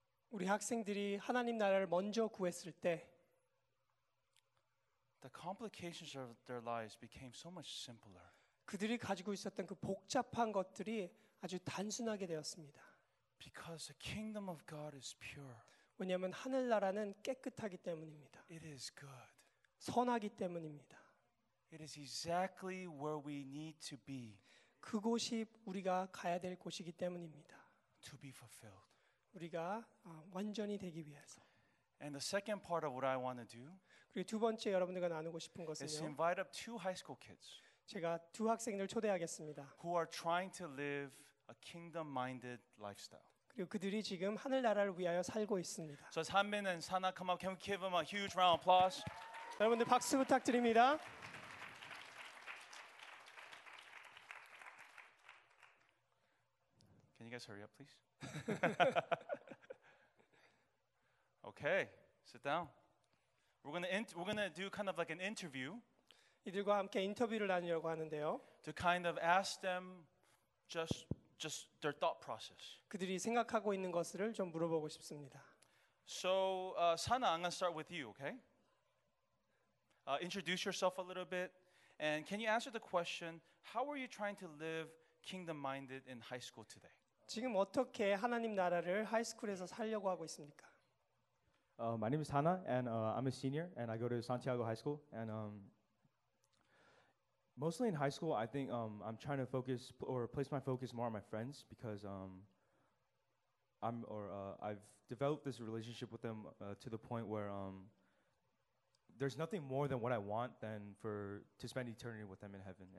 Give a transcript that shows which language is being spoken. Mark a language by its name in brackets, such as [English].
[Korean] 우리 학생들이 하나님 나라를 먼저 구했을 때, [English] the complications of their lives became so much simpler. [Korean] 그들이 가지고 있었던 그 복잡한 것들이 아주 단순하게 되었습니다. [English] Because the kingdom of God is pure. [Korean] 왜냐하면 하늘나라는 깨끗하기 때문입니다. [English] It is good. [Korean] 선하기 때문입니다. [English] It is exactly where we need to be. [Korean] 그곳이 우리가 가야 될 곳이기 때문입니다. [English] To be fulfilled. [Korean] 우리가 완전히 되기 위해서. [English] And the second part of what I want to do. [Korean] 그리고 두 번째 여러분들과 나누고 싶은 것은요. [English] Is to invite up two high school kids. [Korean] 제가 두 학생을 초대하겠습니다. [English] Who are trying to live a kingdom-minded lifestyle. [Korean] 그리고 그들이 지금 하늘 나라를 위하여 살고 있습니다. [English] So, Hanmin and Sana, come up. Can we give them a huge round of applause? [Korean] 여러분들 박수 부탁드립니다. [English] Can you guys hurry up, please? Okay, sit down. We're gonna do kind of like an interview. [Korean] 이들과 함께 인터뷰를 나누려고 하는데요. [English] To kind of ask them just their thought process. [Korean] 그들이 생각하고 있는 것을 좀 물어보고 싶습니다. [English] So, Sana, I'm gonna start with you, okay? Introduce yourself a little bit, and can you answer the question, how are you trying to live kingdom-minded in high school today? [Korean] 지금 어떻게 하나님 나라를 하이스쿨에서 살려고 하고 있습니까? [English] My name is Hana, and I'm a senior, and I go to Santiago High School. And mostly in high school, I think I'm trying to focus or place my focus more on my friends because I've developed this relationship with them to the point where there's nothing more than what I want than to spend eternity with them in heaven.